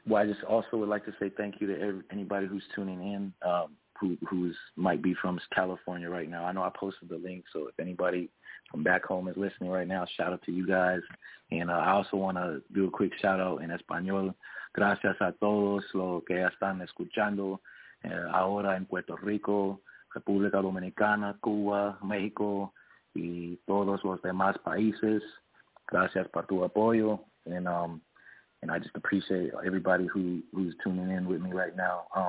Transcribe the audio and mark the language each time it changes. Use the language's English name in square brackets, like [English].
[English] Well, I just also would like to say thank you to anybody who's tuning in, who might be from California right now. I know I posted the link, so if anybody from back home is listening right now, shout out to you guys. And I also want to do a quick shout out in Espanol. [Spanish] Gracias a todos los que están escuchando ahora en Puerto Rico, República Dominicana, Cuba, México, y todos los demás países. Gracias por tu apoyo, [English] and I just appreciate everybody who's tuning in with me right now.